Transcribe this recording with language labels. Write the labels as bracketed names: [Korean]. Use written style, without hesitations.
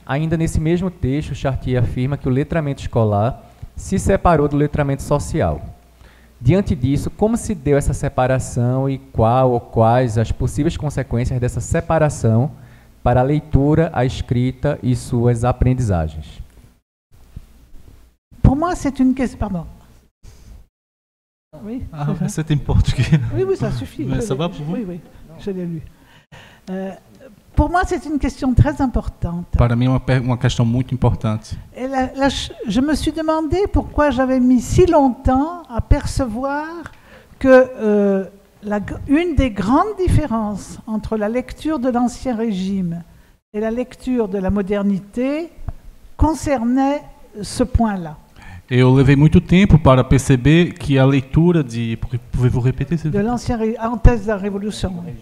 [Portuguese] Ainda nesse mesmo texto, Chartier afirma que o letramento escolar se separou do letramento social. Diante disso, como se deu essa separação e qual ou quais as possíveis consequências dessa separação para a leitura, a escrita e suas aprendizagens? [French] Pour moi, c'est une question. Pardon. Oui. Ah, mais c'est important. Oui, oui, ça suffit. Mais ça va pour vous? Oui, oui. Je l'ai lu. Pour moi, c'est une question très importante. [Portuguese] Para mim, uma questão muito importante. [French] Je me suis demandé pourquoi j'avais mis si longtemps à percevoir que une des grandes différences entre la lecture de l'Ancien Régime et la lecture de la modernité concernait ce point-là. [Portuguese] Eu levei muito tempo para perceber que a leitura de... [French] Pouvez-vous répéter? De l'Ancien Régime, [Portuguese] antes da Revolução.